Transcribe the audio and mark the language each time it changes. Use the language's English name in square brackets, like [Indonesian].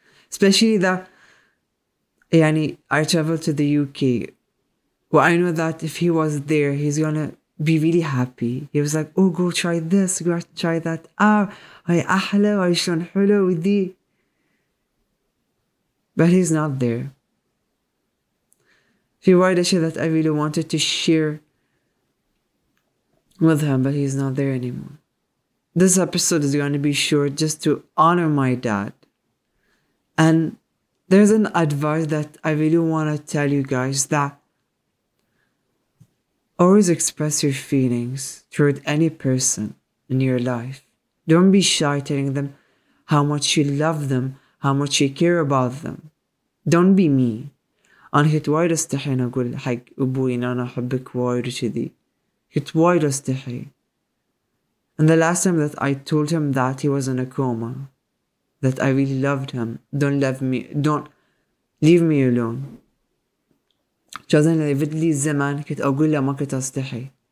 [English] Especially that يعني I traveled to the UK. Well, I know that if he was there, he's gonna be really happy. He was like, oh, go try this, go try that. [Arabic] Ah, هاي أحلى وهاي شلون حلو ودي. [English] But he's not there. [Arabic] في وايد أشياء [English] that I really wanted to share with him, but he's not there anymore. This episode is going to be short just to honor my dad. And there's an advice that I really want to tell you guys that always express your feelings toward any person in your life. Don't be shy telling them how much you love them, how much you care about them. Don't be me. [Arabic] أنا كنت وايد أستحي أن أقول حق أبوي أن أنا أحبك وايد وشذي. كنت وايد أستحي. [English] And the last time that I told him that he was in a coma, that I really loved him. Don't love me. Don't leave me alone. [Arabic] جزاً لفت لي الزمان كنت أقول له ما كنت أستحي.